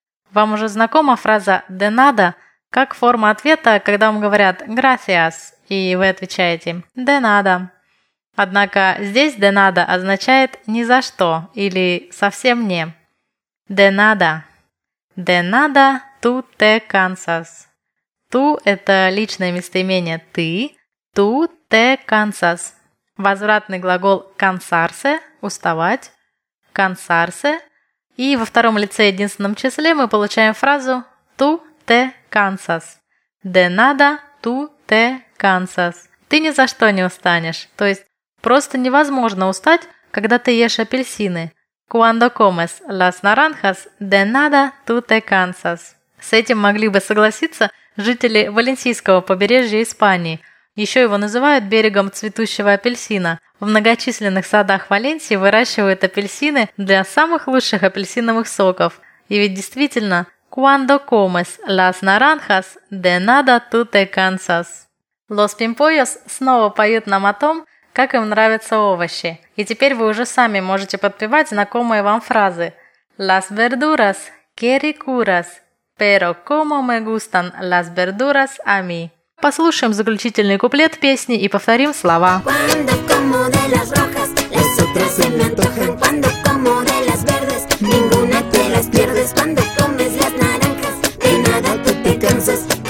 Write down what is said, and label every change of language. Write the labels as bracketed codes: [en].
[ru] Вам уже знакома фраза «de nada» как форма ответа, когда вам говорят «gracias», и вы отвечаете «de nada». Однако здесь «de nada» означает «ни за что» или «совсем не». [es] «De nada». «De nada tú te cansas». [ru] «Tú» – это личное местоимение «ты». [es] «Tú te cansas». [ru] Возвратный глагол «cansarse» – «уставать». [es] «Cansarse». [ru] И во втором лице единственном числе мы получаем фразу [es] «tú te cansas». «De nada tú te cansas». [ru] «Ты ни за что не устанешь». То есть просто невозможно устать, когда ты ешь апельсины. «Cuando comes las naranjas, de nada tú te cansas». С этим могли бы согласиться жители Валенсийского побережья Испании. Еще его называют «берегом цветущего апельсина». В многочисленных садах Валенсии выращивают апельсины для самых лучших апельсиновых соков. И ведь действительно, [es] «cuando comes las naranjas, de nada tú te cansas». [ru] Los pimpollos снова поют нам о том, как им нравятся овощи. И теперь вы уже сами можете подпевать знакомые вам фразы. [es] las verduras, qué ricuras. Pero como me gustan las verduras a mí. [ru] Послушаем заключительный куплет песни и повторим слова. [es] Cuando como de las rojas, las otras se me antojan. Cuando como de las verdes, ninguna te las pierdes. Cuando comes las naranjas, de nada tú te cansas.